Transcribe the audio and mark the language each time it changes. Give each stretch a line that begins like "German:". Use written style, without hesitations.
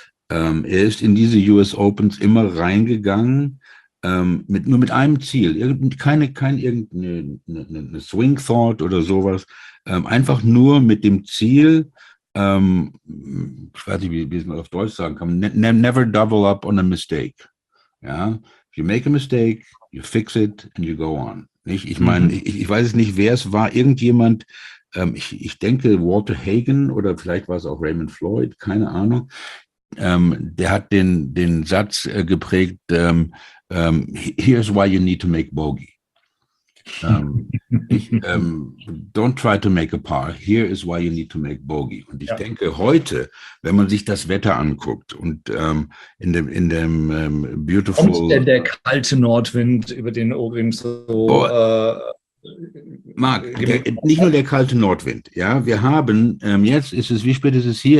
German: Er ist in diese US Opens immer reingegangen, nur mit einem Ziel. Keine Swing Thought oder sowas. Einfach nur mit dem Ziel, ich weiß nicht, wie man das auf Deutsch sagen kann,
English: never double up on a mistake.
German: Ja?
English: If you make a mistake, you fix it and you go on.
German: Nicht? Ich meine, ich weiß es nicht, wer es war, irgendjemand. Ich denke, Walter Hagen oder vielleicht war es auch Raymond Floyd, keine Ahnung. Der hat den Satz geprägt,
English: here's why you need to make bogey. Don't try to make a par, here is why you need to make bogey.
German: Und ich denke, heute, wenn man sich das Wetter anguckt und in dem beautiful... Kommt denn der kalte Nordwind über den Ogrim so... Marc, nicht nur der kalte Nordwind. Ja, wir haben, jetzt ist es, wie spät ist es hier?